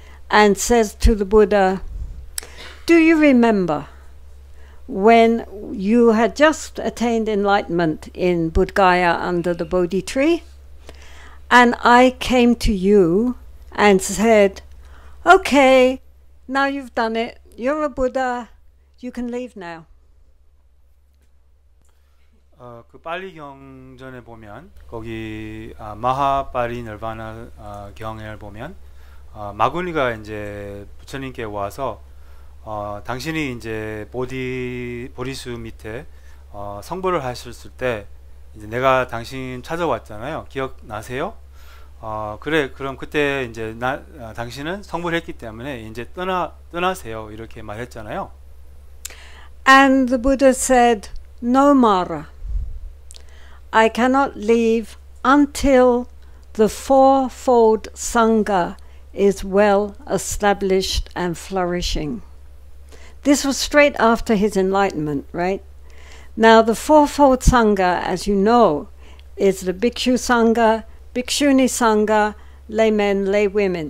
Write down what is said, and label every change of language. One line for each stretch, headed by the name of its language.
English: and says to the Buddha, "Do you remember when you had just attained enlightenment in Bodh Gaya under the Bodhi tree, and I came to you and said, 'Okay, now you've done it. You're a Buddha. You can leave now.'"
Korean: 그 빨리 경전에 보면 거기 마하 빨리 널바나 경을 보면 마구니가 이제 부처님께 와서 당신이 이제 보리수 밑에 성불을 하셨을 때 이제 내가 당신 찾아왔잖아요. 기억나세요? 그래 그럼 그때 이제 당신은 성불했기 때문에 이제 떠나세요 이렇게 말했잖아요.
English: And the Buddha said, No, Mara. I cannot leave until the fourfold Sangha is well established and flourishing. This was straight after his enlightenment, right? Now, the fourfold Sangha, as you know, is the Bhikshu Sangha, Bhikshuni Sangha, lay men, lay women.